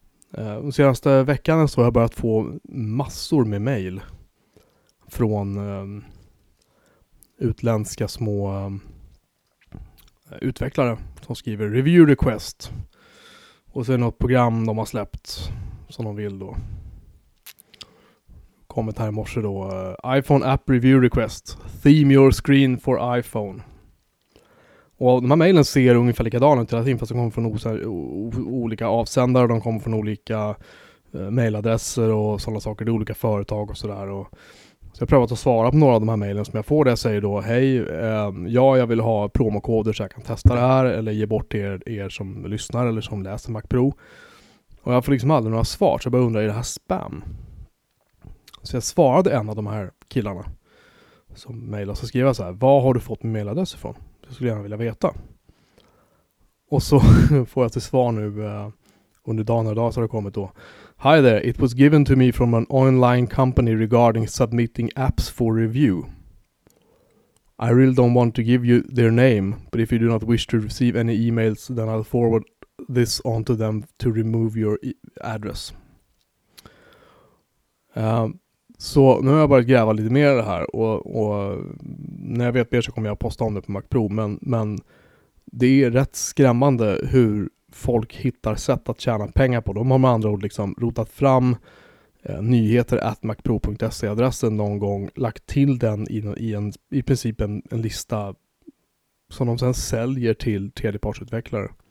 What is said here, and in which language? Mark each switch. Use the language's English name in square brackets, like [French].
[Swedish] Den senaste veckan så har jag börjat få massor med mejl från utländska små utvecklare som skriver [English] review request. [Swedish] Och så är det något program de har släppt som de vill då. Kommit här i morse då. [English] iPhone app review request. Theme your screen for iPhone. [Swedish] Och de här mejlen ser ungefär likadana ut hela tiden, fast de kommer från olika avsändare, de kommer från olika mejladresser och sådana saker, det är olika företag och sådär. Så jag prövat att svara på några av de här mejlen som jag får, där jag säger då hej, ja jag vill ha promokoder så jag kan testa det här eller ge bort till er som lyssnar eller som läser Mac Pro. Och jag får liksom aldrig några svar, så jag bara undrar, är det här spam? Så jag svarade en av de här killarna som mejlar, så skriver jag så här: vad har du fått med mejladress ifrån? Det skulle jag gärna vilja veta. Och så får jag till svar nu under dagen och dag så har det kommit då. [English] Hi there, it was given to me from an online company regarding submitting apps for review. I really don't want to give you their name, but if you do not wish to receive any emails, then I'll forward this on to them to remove your address. [Swedish] Så nu har jag börjat gräva lite mer i det här, och när jag vet mer så kommer jag posta om det på Mac Pro, men det är rätt skrämmande hur folk hittar sätt att tjäna pengar på. De har med andra ord liksom rotat fram nyheter@macpro.se-adressen någon gång, lagt till den i princip en lista som de sen säljer till tredjepartsutvecklare.